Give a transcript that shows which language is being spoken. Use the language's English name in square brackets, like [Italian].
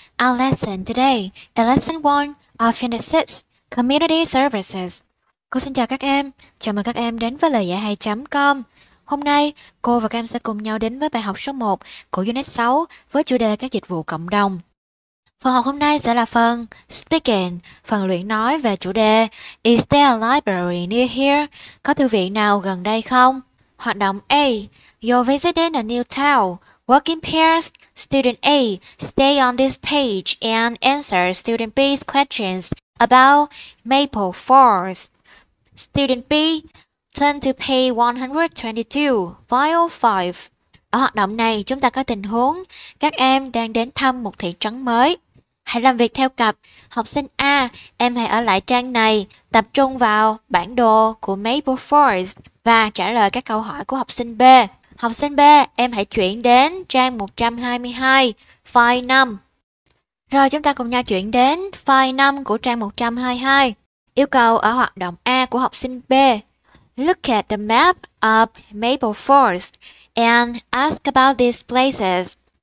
[English] Our lesson today is lesson 1 of unit 6, Community Services. [Vietnamese] Cô xin chào các em, chào mừng các em đến với layahay.com. Hôm nay, cô và các em sẽ cùng nhau đến với bài học số 1 của unit 6 với chủ đề các dịch vụ cộng đồng. Phần học hôm nay sẽ là phần Speaking, phần luyện nói về chủ đề [English] Is there a library near here? [Vietnamese] Có thư viện nào gần đây không? Hoạt động [English] A. You're visiting a new town. Working pairs, student A, stay on this page and answer student B's questions about Maple Falls. Student B, turn to page 122, file 5. [Vietnamese] Ở hoạt động này, chúng ta có tình huống các em đang đến thăm một thị trấn mới. Hãy làm việc theo cặp. Học sinh A, em hãy ở lại trang này, tập trung vào bản đồ của Maple Falls và trả lời các câu hỏi của học sinh B. Học sinh B, em hãy chuyển đến trang 122, file 5. Rồi chúng ta cùng nhau chuyển đến file 5 của trang 122. Yêu cầu ở hoạt động A của học sinh B. [English] Look at the map of Maple Falls and ask about these places.